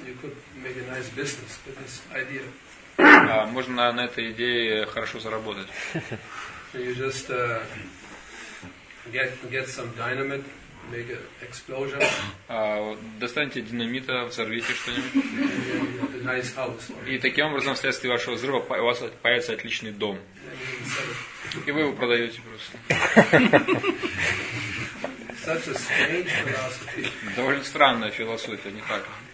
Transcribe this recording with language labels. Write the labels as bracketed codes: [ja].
[en] You could make a nice business with this idea. [ru] Можно на этой идее хорошо заработать. [en] You just get some dynamite, make an explosion. [ru] Достаньте динамита, взорвите что-нибудь. [en] A nice house. [ru] И таким образом вследствие вашего взрыва у вас появится отличный дом. И вы его продаете просто. [en] Such a strange philosophy. [ru] Довольно странная философия, не так?